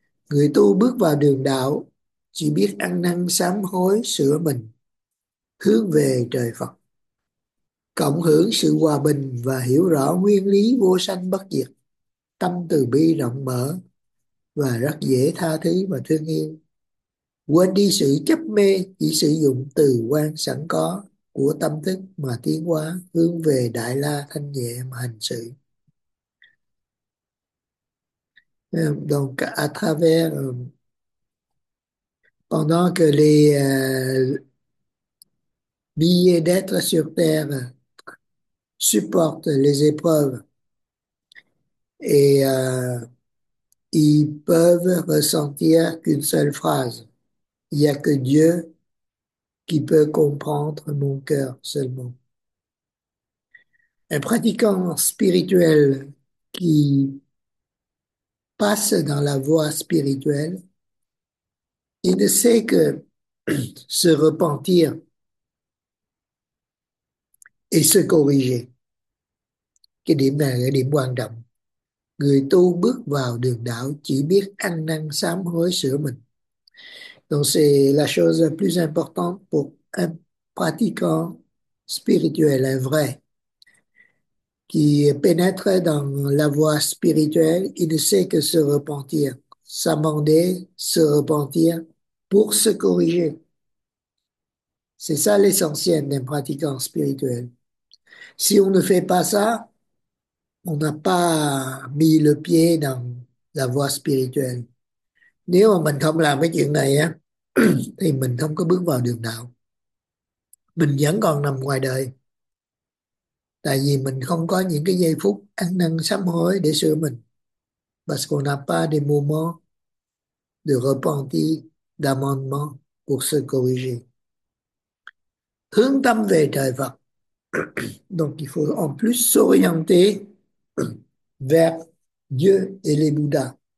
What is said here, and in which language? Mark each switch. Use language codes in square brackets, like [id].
[vi] Người tu bước vào đường đạo chỉ biết ăn năn sám hối sửa mình, hướng về trời Phật, cộng hưởng sự hòa bình và hiểu rõ nguyên lý vô sanh bất diệt, tâm từ bi rộng mở và rất dễ tha thứ và thương yêu. Quên đi sự chấp mê, chỉ sử dụng từ quan sẵn có của tâm thức mà tiến hóa hướng về đại la thanh nhẹ mà hành sự. [fr] Donc à travers pendant que les billets d'être sur terre supportent les épreuves et ils peuvent ressentir qu'une seule phrase: il n'y a que Dieu qui peut comprendre mon cœur seulement. Un pratiquant spirituel qui passe dans la voie spirituelle, il ne sait que se repentir et se corriger. [vi] Cái điểm này là điểm quan trọng. Người tu bước vào đường đạo chỉ biết ăn năn sám hối sửa mình. [fr] Donc c'est la chose la plus importante pour un pratiquant spirituel, un vrai, qui pénètre dans la voie spirituelle, il ne sait que se repentir, s'amender, se repentir pour se corriger. C'est ça l'essentiel d'un pratiquant spirituel. Si on ne fait pas ça, on n'a pas mis le pied dans la voie spirituelle. [vi] Nếu mà mình không làm cái chuyện này á, thì mình không có bước vào đường đạo. Mình vẫn còn nằm ngoài đời. Tại vì mình không có những cái giây phút ăn năn sám hối để sửa mình. [fr] Parce qu'on n'a pas de moment de repentir, d'amendement pour se corriger. [vi] Hướng tâm về trời Phật. [fr] Donc il faut en plus s'orienter vers Dieu et les Bouddhas.